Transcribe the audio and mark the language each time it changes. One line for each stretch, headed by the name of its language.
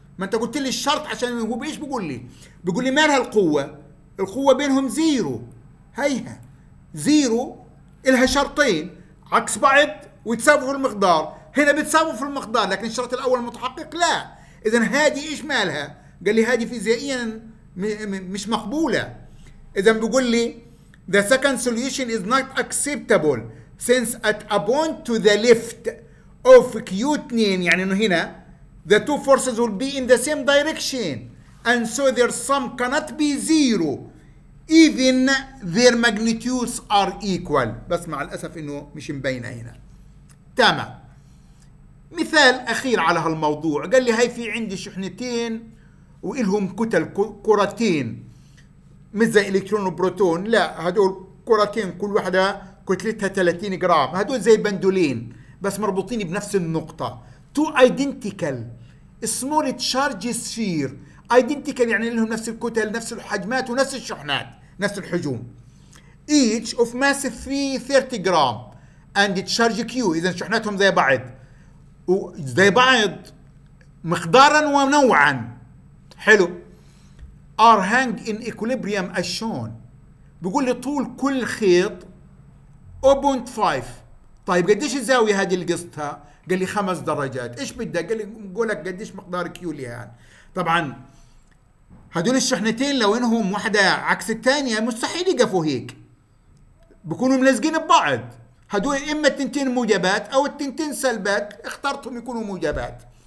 Arabic: ما أنت قلت لي الشرط عشان هو بإيش بيقول لي؟ بيقول لي مالها القوة؟ القوة بينهم زيرو، هيها زيرو، إلها شرطين عكس بعض ويتساووا في المقدار. هنا بتساووا في المقدار لكن الشرط الأول متحقق، لا. إذن هذه إيش مالها؟ قال لي هذه فيزيائيا مش مقبولة. إذن بيقول لي
English: the second solution is not acceptable since at a point to the left of Q2،
Arabic: يعني أنه هنا
English: the two forces will be in the same direction and so their sum cannot be zero even their magnitudes are equal.
Arabic: بس مع الأسف أنه مش مبينة هنا. تمام. مثال أخير على هالموضوع، قال لي هاي في عندي شحنتين وإلهم كتل كرتين، مثل زي إلكترون وبروتون، لا هدول كرتين كل واحدة كتلتها 30 جرام، هدول زي بندولين بس مربوطين بنفس النقطة.
English: Two identical small charge sphere،
Arabic: identical يعني إلهم نفس الكتل نفس الحجمات ونفس الشحنات نفس الحجوم.
English: Each of mass 330
Arabic: جرام
English: and charge Q،
Arabic: إذا شحناتهم زي بعض وزي بعض مقدارا ونوعا، حلو.
English: Are hang in equilibrium as shown،
Arabic: بيقول لي طول كل خيط 0.5. طيب قديش الزاوية هذه اللي قصتها؟ قال لي 5 درجات. ايش بدك؟ قال لي نقولك قديش مقدار كيو لي هان. طبعا هدول الشحنتين لو انهم واحدة عكس التانية مستحيل يقفوا هيك، بيكونوا ملزقين ببعض. هدول اما التنتين موجبات او التنتين سلبات، اخترتهم يكونوا موجبات.